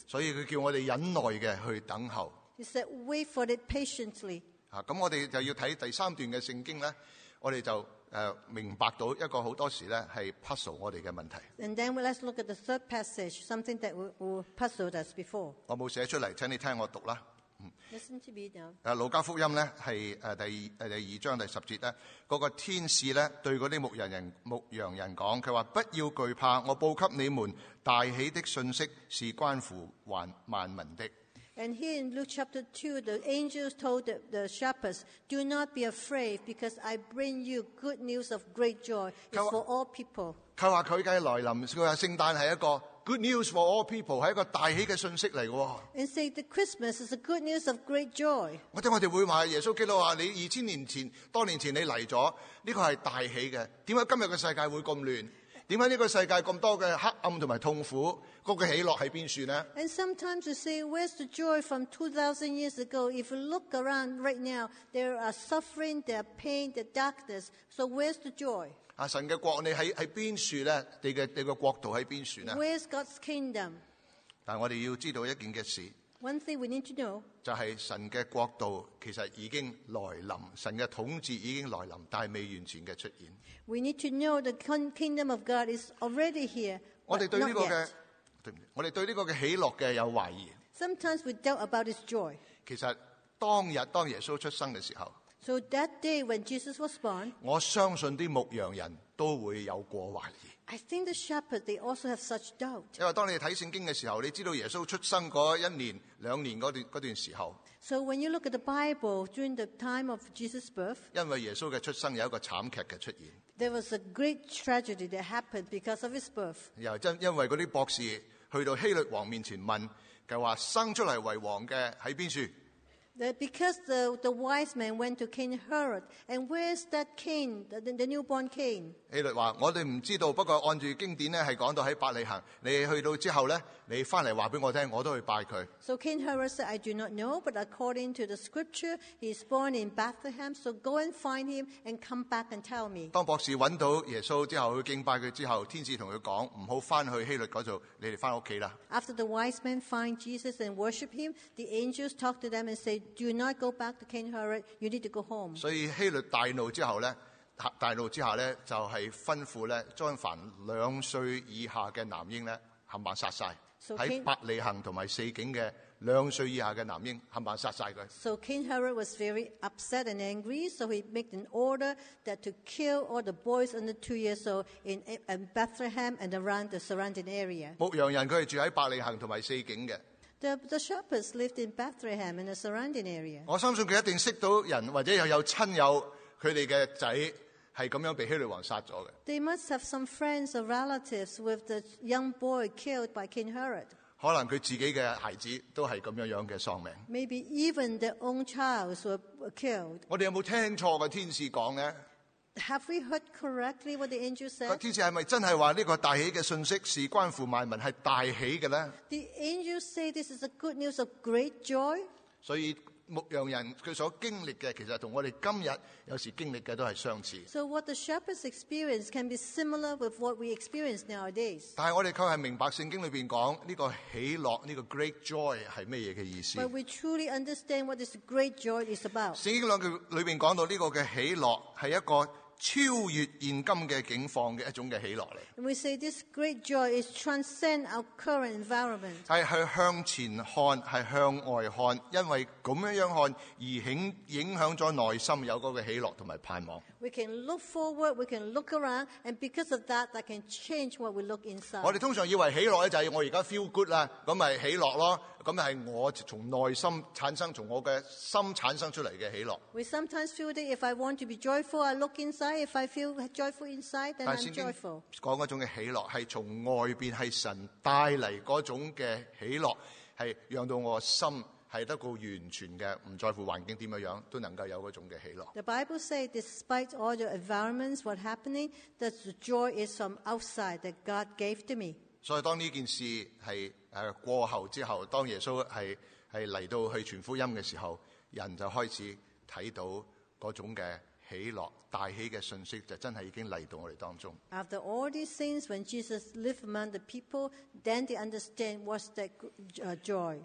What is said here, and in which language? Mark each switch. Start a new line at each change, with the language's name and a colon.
Cantonese: 所以佢叫我哋忍耐嘅去等候。
English: He said, "Wait for it patiently."
Cantonese: 咁我哋就要睇第三段嘅圣经咧，我哋就明白到一个好多时咧系 puzzle 我哋嘅问题。
English: And then let's look at the third passage, something that will puzzle us before.
Cantonese: 我冇写出嚟，请你听我读啦。
English: Listen to me now.
Cantonese: 路加福音咧系第二章第十节咧，嗰个天使咧对嗰啲牧羊人讲，佢话不要惧怕，我报给你们大喜的信息是关乎万民的。
English: And here in Luke chapter 2, the angels told the shepherds, Do not be afraid, because I bring you good news of great joy. It's for all people.
Cantonese: 他说他的来临，他说圣诞是一个
English: good news for all people,
Cantonese: 是一个大喜的信息来的。
English: And say that Christmas is a good news of great joy.
Cantonese: 或者我们会说，耶稣基督说，你二千年前，多年前你来了，这个是大喜的。为什么今天的世界会这么乱？为什么这个世界这么多的黑暗和痛苦？那个喜乐在哪里呢？
English: And sometimes you say, where's the joy from 2,000 years ago? If you look around right now, there are suffering, there are pain, there are darkness. So where's the joy?
Cantonese: 神的国你在哪里呢？你的国度在哪里呢？
English: Where's God's kingdom?
Cantonese: 但我们要知道一件事。
English: One thing we need to know.
Cantonese: 就是神的国度其实已经来临，神的统治已经来临，但是未完全的出现。
English: We need to know the kingdom of God is already here, but not yet.
Cantonese: 我们对这个喜乐的有怀疑。
English: Sometimes we doubt about his joy.
Cantonese: 其实当日当耶稣出生的时候，
English: So that day when Jesus was born,
Cantonese: 我相信牧羊人都会有过怀疑。
English: I think the shepherds, they also have such doubt.
Cantonese: 因为当你看圣经的时候，你知道耶稣出生那一年、两年那段时候。
English: So when you look at the Bible during the time of Jesus' birth,
Cantonese: 因为耶稣的出生有一个惨剧的出现。
English: There was a great tragedy that happened because of his birth.
Cantonese: 又因为那些博士去到希律王面前问，他说生出来为王的在哪里？
English: Because the wise man went to King Herod, and where's that king, the newborn king?
Cantonese: 希律说，我们不知道，不过按照经典是讲到在伯利恒，你去到之后呢，你回来告诉我，我都去拜他。
English: So King Herod said, I do not know, but according to the scripture, he is born in Bethlehem, so go and find him and come back and tell me.
Cantonese: 当博士找到耶稣之后，去敬拜他之后，天使跟他说，不要回去希律那里，你们回家吧。
English: After the wise men find Jesus and worship him, the angels talk to them and say, Do not go back to King Herod, you need to go home.
Cantonese: 所以希律大怒之后呢，大怒之下呢，就是吩咐呢，将凡两岁以下的男婴呢，全部杀晒。在伯利恒和四境的两岁以下的男婴全部杀晒他。
English: So King Herod was very upset and angry, so he made an order that to kill all the boys under 2 years old in Bethlehem and around the surrounding area.
Cantonese: 牧羊人他是住在伯利恒和四境的。
English: The shepherds lived in Bethlehem and the surrounding area.
Cantonese: 我相信他一定认识到人，或者有亲友他们的仔是这样被希律王杀了的。
English: They must have some friends or relatives with the young boy killed by King Herod.
Cantonese: 可能他自己的孩子都是这样的丧命。
English: Maybe even their own child were killed.
Cantonese: 我们有没有听错的天使说呢？
English: Have we heard correctly what the angel said?
Cantonese: 天使是不是真的说这个大喜的信息是关乎万民，是大喜的呢？
English: The angel said this is a good news of great joy.
Cantonese: 所以牧羊人他所经历的其实跟我们今天有时经历的都是相似。
English: So what the shepherds experience can be similar with what we experience nowadays.
Cantonese: 但是我们却明白圣经里面讲这个喜乐，这个 great joy 是什么意思。
English: But we truly understand what this great joy is about.
Cantonese: 圣经里面讲到这个喜乐是一个超越現今嘅境況嘅一種嘅喜樂嚟。
English: We say this great joy is transcend our current environment。
Cantonese: 係去向前看，係向外看，因為咁樣看而影響咗內心有嗰個喜樂同埋盼望。
English: We can look forward, we can look around, and because of that, that can change what we look inside。
Cantonese: 我哋通常以為喜樂就係我而家
English: feel good
Cantonese: 啦，咁咪喜樂咯。咁係我從內心產生，從我嘅心產生出嚟嘅喜樂。
English: We sometimes feel that if I want to be joyful, I look inside. If I feel joyful inside, then I'm joyful.
Cantonese: 講嗰種嘅喜樂係從外邊係神帶嚟嗰種嘅喜樂，係讓到我心係得到完全嘅，唔在乎環境點樣樣，都能夠有嗰種嘅喜樂。
English: The Bible says, despite all the environments, what happening, that the joy is from outside that God gave to me.
Cantonese: 所以當呢件事係過後之後，當耶穌係嚟到去傳福音嘅時候，人就開始睇到嗰種嘅喜樂、大喜嘅信息，就真係已經嚟到我哋當中。
English: After all these things, when Jesus lived among the people, then they understand what's that joy.